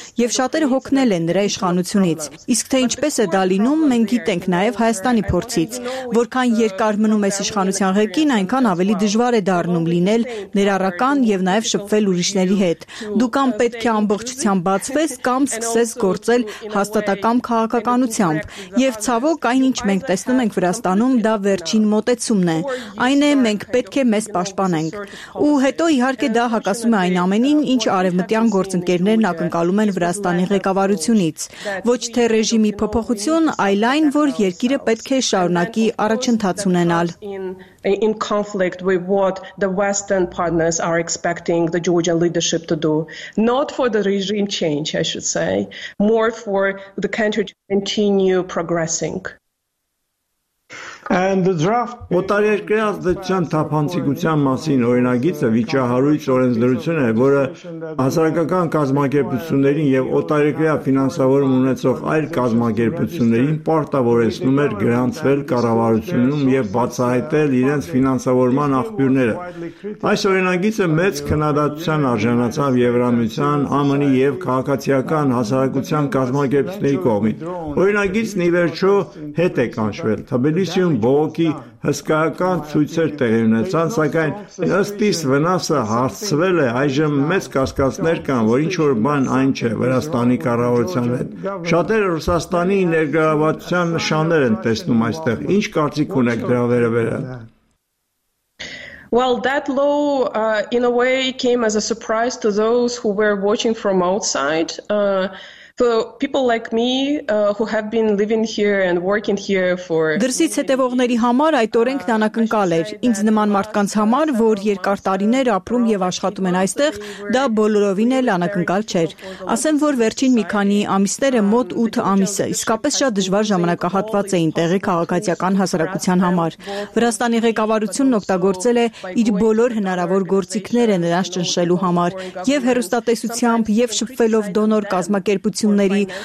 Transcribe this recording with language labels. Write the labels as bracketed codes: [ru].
[hy] եւ շատերը հոգնել են նրա իշխանությունից։ Իսկ թե ինչպես է դա լինում, մենք գիտենք նաեւ Հայաստանի փորձից, որքան երկար մնում է իշխանության ղեկին, այնքան ավելի դժվար է դառնում լինել ներառական եւ նաեւ շփվել ուրիշների հետ։ Դու կամ պետք է ամբողջությամբ բացվես, կամ սկսես գործել հաստատակամ քաղաքականությամբ։ Եվ ցավոք, այնինչ մենք տեսնում ենք Վրաստանում, դա վերջին մոտեցումն է։ Այն է, մենք պետք է մեզ պաշտպանենք։ Ու հետո իհարկե դա հակասում է այն ամենին, ինչ արևմտյան գործընկերներն ակնկալում են Վրաստանի ղեկավարությունից։ Ոչ թե ռեժիմի փոփոխություն, այլ այն, որ երկիրը պետք է շարունակի առաջընթաց ունենալ։ [en] In conflict with what the Western partners are expecting the Georgian leadership to do, not for the regime change, I should say, more for the country to continue progressing. And the draft [hy] օտարերկրյա ազդեցության թափանցիկության մասին օրինագիծը վիճահարույց օրենսդրություն է, որը հասարակական կազմակերպություններին եւ օտարերկրյա ֆինանսավորում ունեցող այլ կազմակերպություններին պարտավորեցնում է գրանցվել կառավարությունում եւ բացահայտել իրենց ֆինանսավորման աղբյուրները։ Այս օրինագիծը մեծ քննադատության արժանացավ Եվրամիության, ԱՄՆ-ի եւ քաղաքացիական հասարակության կազմակերպությունների կողմից։ Օրինագիծն ի վերջո հետ է կանչվել Թբիլիսիում բողոքի հսկայական ցույցեր տեղի ունեցան, սակայն ըստ իս վնասը հարցվել է, այժմ մեծ կասկածներ կան, որ ինչ-որ բան այն չէ Վրաստանի կառավարության հետ։ Շատերը Ռուսաստանի ներգրավվածության նշաններ են տեսնում այստեղ։ Ինչ կարծիք ունեք դրա վերաբերյալ։ [en] Well, that law, in a way, came as a surprise to those who were watching from outside. For people like me who have been living here and working here for [hy] Դրսից հետևողների համար այդ օրենքն անակնկալ էր։ Ինձ նման մարդկանց համար, որ երկար տարիներ ապրում եւ աշխատում են այստեղ, դա բոլորովին էլ անակնկալ չէր։ Ասեմ, որ վերջին մի քանի ամիսները, մոտ 8 ամիսը, իսկապես շատ դժվար ժամանակահատված էին տեղի քաղաքացիական հասարակության համար։ Վրաստանի ղեկավարությունն օգտագործել է իր բոլոր հնարավոր գործիքները նրանց ճնշելու համար, եւ հերոստատեսությամբ, եւ շփվելով դոնոր կազմակերպությամբ ությունների